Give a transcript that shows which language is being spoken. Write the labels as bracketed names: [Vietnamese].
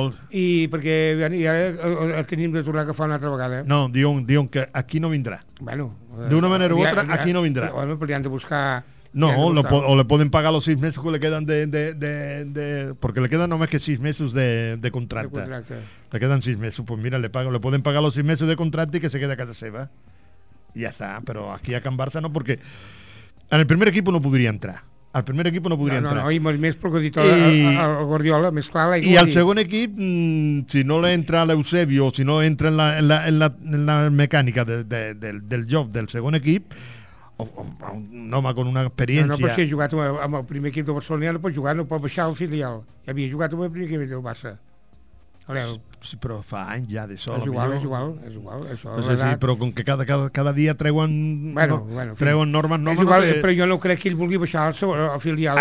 [Catalan] I perquè ja el tenim de tornar a agafar una altra vegada. No, diuen que aquí no vindrà. Bueno, d'una manera u altra aquí no vindrà. Bueno, però han de buscar. [Spanish] No, o le pueden pagar los 6 meses que le quedan de porque le quedan no más que 6 meses de contrato. Le quedan 6 meses, pues mira, le pueden pagar los 6 meses de contrato y que se quede a [Catalan] casa seva. [Spanish] Y ya está, pero aquí a Can Barça no, porque en el primer equipo no podría entrar. Al primer equipo no podría entrar. No, y más porque dicho al Guardiola, más clara. Y al segundo equipo, si no le entra al Eusebio, si no entra en la mecánica del job del segundo equipo, [Catalan] un home [Spanish] con [Catalan] una experiència. No, però si ha jugat amb el primer equip de Barcelona, no pot jugar, no pot baixar el filial. Ja havia jugat amb el primer equip de Barça. Sí, però fa anys ja de sol. És igual. Però com que cada dia treuen, treuen normes noves... És igual, però jo no crec que ell vulgui baixar el filial.